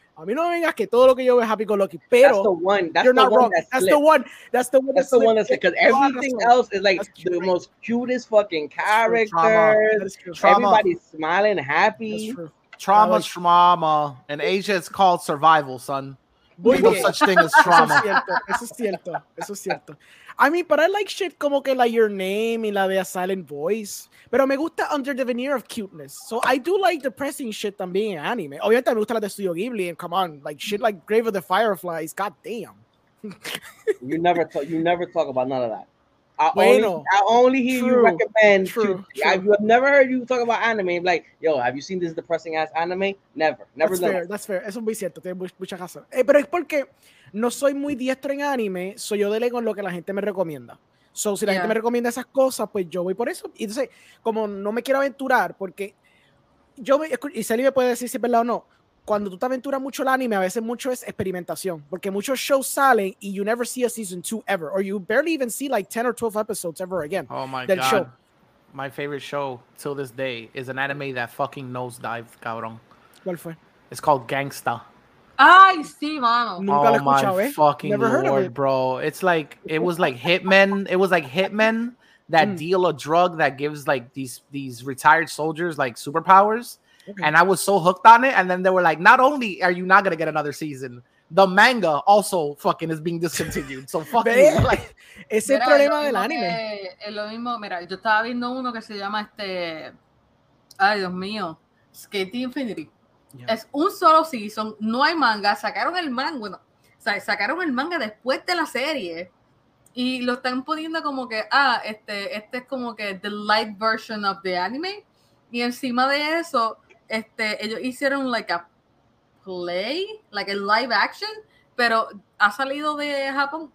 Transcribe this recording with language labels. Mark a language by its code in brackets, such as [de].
[es] A mí no me vengas que todo lo que yo veo es [en] happy go lucky, [es] pero [en] that's the one that's because everything else is like the most cutest fucking characters. Everybody's smiling, happy. Trauma, trauma. In Asia, it's called survival, son. No such thing as trauma. [es] Eso es cierto. [en] I mean, but I like shit [es] como que [en] like Your Name [es] y la de [en] A Silent Voice. [es] Pero me gusta [en] Under the Veneer of Cuteness. So I do like depressing shit [es] también en [en] anime. [es] Obviamente me gusta la de [en] Studio Ghibli and come on, like shit like Grave of the Fireflies. God damn. You never talk about none of that. I only hear you recommend. I've never heard you talk about anime. I'm like, yo, have you seen this depressing ass anime? Never. That's fair. [es] Eso es muy cierto. Tienes mucha razón. Pero es porque no soy muy diestro en anime. Soy yo delego en lo que la gente me recomienda. So, si la gente me recomienda esas cosas, pues yo voy por eso. Y entonces, como no me quiero aventurar, porque yo, y Sally me puede decir si es verdad o no, cuando tú te aventuras mucho el anime, a veces mucho es experimentación, porque muchos shows salen y [en] you never see a season 2 ever, or you barely even see like 10 or 12 episodes ever again. Oh my god. Show. My favorite show till this day is an anime that fucking nosedive, cabrón. [es] ¿Cuál fue? [en] It's called Gangsta. [es] Ay, sí, mano. [en] Oh my fucking lord, bro. It's like, it was like hitmen. It was like hitmen that deal a drug that gives like these retired soldiers like superpowers. Okay. And I was so hooked on it. And then they were like, not only are you not going to get another season, the manga also fucking is being discontinued. So fucking like, [es] es el problema del anime. Es lo mismo. Mira, yo estaba viendo uno que se llama ay, Dios mío. Skate Infinity. Yeah. Es un solo season, no hay manga, sacaron el manga, bueno, o sea, sacaron el manga después de la serie y lo están poniendo como que, este es como que [en] the light version of the anime, [es] y encima de eso, ellos hicieron [en] like a play, like a live action, [es] pero ¿ha salido de Japón?